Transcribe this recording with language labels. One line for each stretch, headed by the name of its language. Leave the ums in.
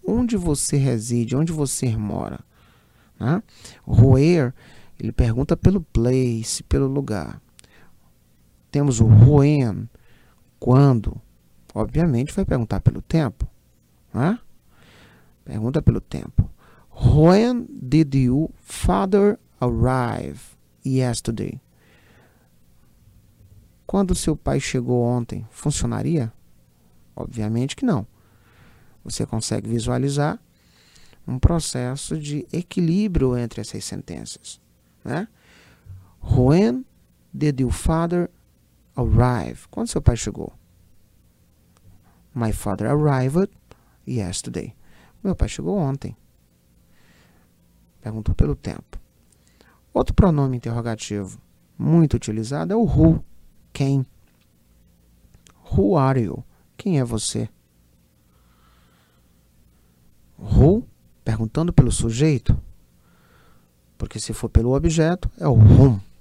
Portuguese: Onde você reside? Onde você mora? Né? Where? Ele pergunta pelo place, pelo lugar. Temos o when quando? Obviamente vai perguntar pelo tempo. Né? Pergunta pelo tempo.
English: When did your father arrive yesterday?
Portuguese: Quando seu pai chegou ontem, funcionaria? Obviamente que não. Você consegue visualizar um processo de equilíbrio entre essas sentenças. Né?
English: When did your father arrive.
Portuguese: Quando seu pai chegou?
English: My father arrived yesterday.
Portuguese: Meu pai chegou ontem. Perguntou pelo tempo. Outro pronome interrogativo muito utilizado é o who. Quem?
English: Who are you?
Portuguese: Quem é você?
English: Who?
Portuguese: Perguntando pelo sujeito. Porque se for pelo objeto, é o whom.